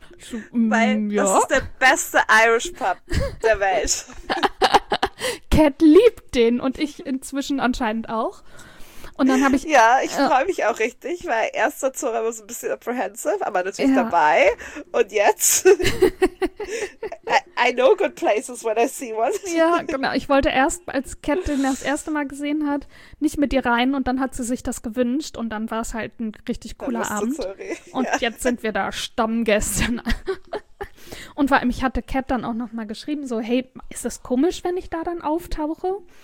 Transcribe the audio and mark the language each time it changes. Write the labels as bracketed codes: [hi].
[de] So, weil ja. Das ist der beste Irish Pub der Welt. Kat liebt den und ich inzwischen anscheinend auch. Und dann habe ich. Ja, ich freue mich auch richtig, weil erst dazu war immer so ein bisschen apprehensive, aber natürlich dabei. Und jetzt. [en] I know good places when I see one. [de] Ja, genau. Ich wollte erst, als Kat den das erste Mal gesehen hat, nicht mit ihr rein und dann hat sie sich das gewünscht und dann war es halt ein richtig cooler Abend. Und jetzt sind wir da Stammgäste. Und vor allem, ich hatte Kat dann auch nochmal geschrieben, so, hey, ist das komisch, wenn ich da dann auftauche?